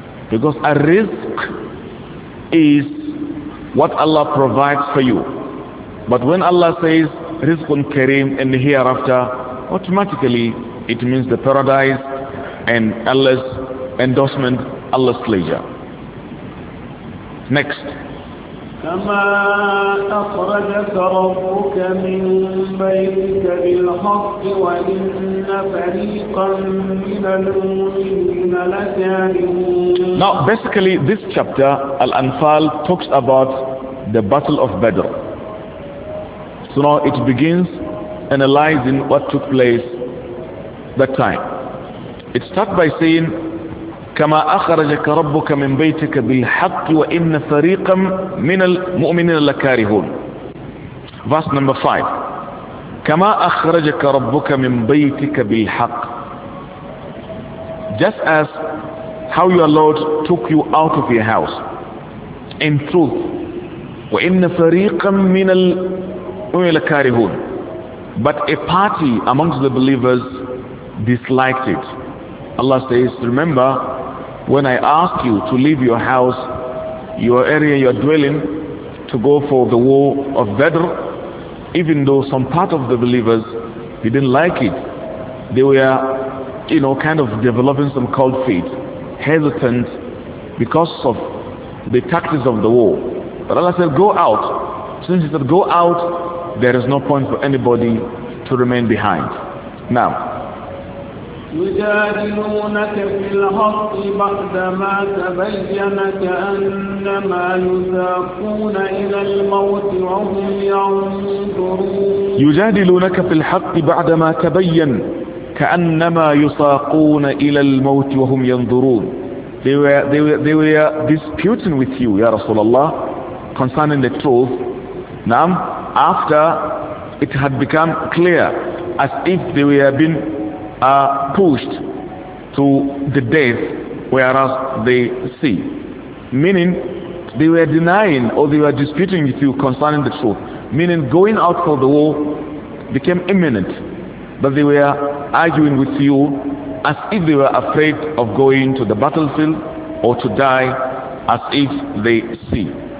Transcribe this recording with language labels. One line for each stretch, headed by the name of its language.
English: Because a rizq is what Allah provides for you. But when Allah says rizqun kareem in the hereafter, automatically it means the paradise and Allah's endorsement, Allah's pleasure. Next.
Arabic: كما أخرجك ربك من بيتك بالحق وإن فريقا من المؤمنين لكارهون.
English: Now basically this chapter Al-Anfal talks about the battle of Badr. So now it begins analyzing what took place that time. It starts by saying
Arabic: كما أخرجك ربك من بيتك بالحق وإن فريقا من المؤمنين لكارهون.
English: Verse number 5.
Arabic: كما أخرجك ربك من بيتك بالحق.
English: Just as how your Lord took you out of your house in truth.
Arabic: وإن فريقا من المؤمنين لكارهون.
English: But a party amongst the believers disliked it. Allah says, remember, when I asked you to leave your house, your area, your dwelling, to go for the war of Badr, even though some part of the believers didn't like it, they were, you know, kind of developing some cold feet, hesitant because of the tactics of the war. But Allah said, go out. Since He said, go out, there is no point for anybody to remain behind. Now,
Arabic: يجادلونك في الحق بعدما تبين كأنما يساقون إلى الموت وهم ينظرون. يجادلونك في الحق بعدما تبين كأنما يساقون إلى الموت وهم ينظرون.
English: They were disputing with you,
Arabic: يا رسول الله,
English: concerning the truth. Now, after it had become clear, as if they were being pushed to the death, whereas they see, meaning they were denying or they were disputing with you concerning the truth, meaning going out for the war became imminent, but they were arguing with you as if they were afraid of going to the battlefield or to die, as if they see.